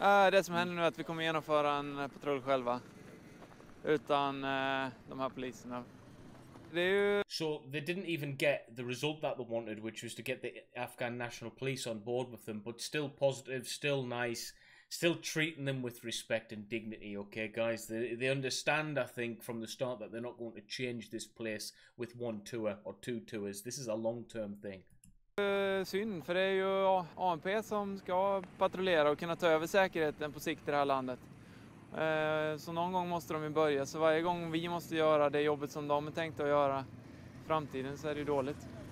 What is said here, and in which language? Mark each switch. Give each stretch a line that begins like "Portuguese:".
Swedish: Det som händer nu är att vi kommer genomföra en patrull själva utan de här poliserna.
English: So they didn't even get the result that they wanted, which was to get the Afghan National Police on board with them, but still positive, still nice. Still treating them with respect and dignity, okay, guys? They understand, I think, from the start that they're not going to change this place with one tour or two tours. This is a long-term thing.
Swedish: Synd, för det är ju ANP som ska patrullera och kunna ta över säkerheten på sikt i det här landet. Så någon gång måste de ju börja. Så varje gång vi måste göra det jobbet som de är tänkt att göra I framtiden så är det ju dåligt.